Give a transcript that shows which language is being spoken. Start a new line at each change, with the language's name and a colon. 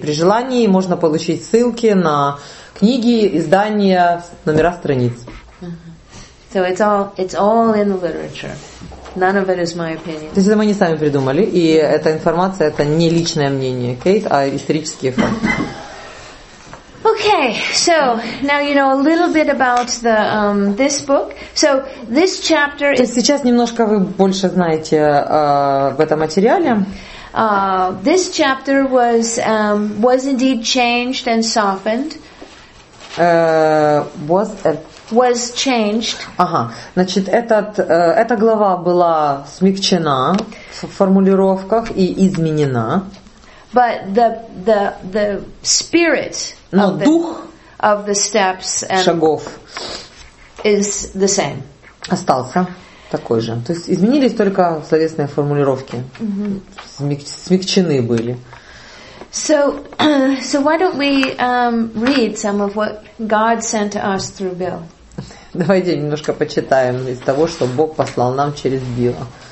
Russian: При желании можно получить ссылки на книги, издания, номера страниц.
English: So it's all in the literature. None of it is my opinion.
Russian: То есть это мы не сами придумали, и эта информация это не личное мнение Кейт, а исторические факты.
English: Okay, so now you know a little bit about the this book. So this chapter is.
Russian: Сейчас немножко вы больше знаете в этом материале.
English: This chapter was indeed changed and softened. Was changed.
Russian: Ага. Значит, эта глава была смягчена в формулировках и изменена.
English: But the spirit.
Russian: Но дух
English: of the steps
Russian: and шагов
English: is the same.
Russian: Остался такой же. То есть изменились только словесные формулировки. Смягчены были.
English: So why don't we read some of what God sent to us through Bill?
Russian: Давайте немножко почитаем из того, что Бог послал нам через Билла.